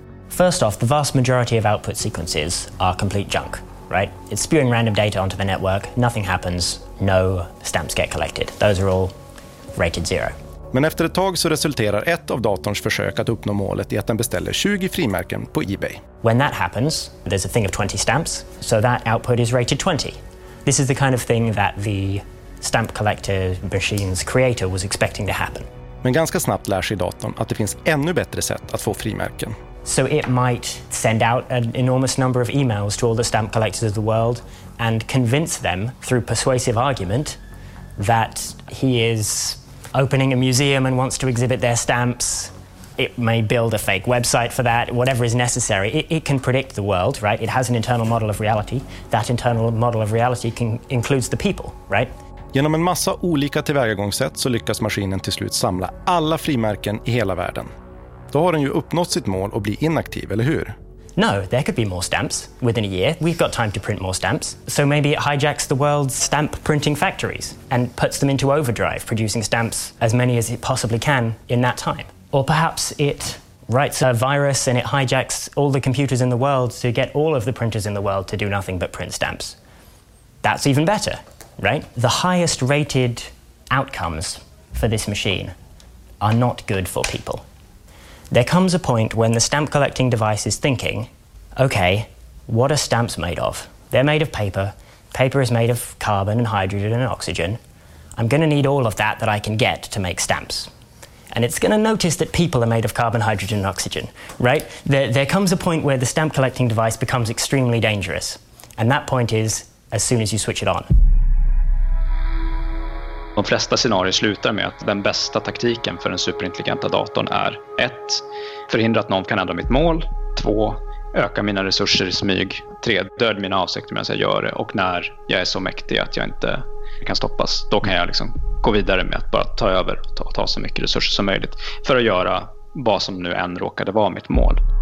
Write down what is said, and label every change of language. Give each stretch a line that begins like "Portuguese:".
English: First off, the vast majority of output sequences are complete junk, right? It's spewing random data onto the network. Nothing happens. No stamps get collected. Those are all rated zero.
Swedish: Men efter ett tag så resulterar ett av datorns försök att uppnå målet i att den beställer 20 frimärken på eBay.
English: When that happens, there's a thing of 20 stamps, so that output is rated 20. This is the kind of thing that the stamp collector machine's creator was expecting to happen.
Swedish: Men ganska snabbt lär sig datorn att det finns ännu bättre sätt att få frimärken.
English: So it might send out an enormous number of emails to all the stamp collectors of the world and convince them through persuasive argument that he is opening a museum and wants to exhibit their stamps. It may build a fake website for that, whatever is necessary. It can predict the world, right? It has an internal model of reality. That internal model of reality includes the people, right?
Swedish: Genom en massa olika tillvägagångssätt så lyckas maskinen till slut samla alla frimärken i hela världen. Då har den ju uppnått sitt mål och blir inaktiv, eller hur?
English: No, there could be more stamps within a year. We've got time to print more stamps. So maybe it hijacks the world's stamp printing factories and puts them into overdrive, producing stamps as many as it possibly can in that time. Or perhaps it writes a virus and it hijacks all the computers in the world to get all of the printers in the world to do nothing but print stamps. That's even better. Right? The highest rated outcomes for this machine are not good for people. There comes a point when the stamp collecting device is thinking, okay, what are stamps made of? They're made of paper. Paper is made of carbon and hydrogen and oxygen. I'm going to need all of that that I can get to make stamps. And it's going to notice that people are made of carbon, hydrogen and oxygen, right? There comes a point where the stamp collecting device becomes extremely dangerous. And that point is as soon as you switch it on.
Swedish: De flesta scenarier slutar med att den bästa taktiken för den superintelligenta datorn är 1. Förhindra att någon kan ändra mitt mål. 2. Öka mina resurser i smyg. 3. Död mina avsikter medan jag gör det. Och när jag är så mäktig att jag inte kan stoppas, då kan jag liksom gå vidare med att bara ta över och ta så mycket resurser som möjligt för att göra vad som nu än råkade vara mitt mål.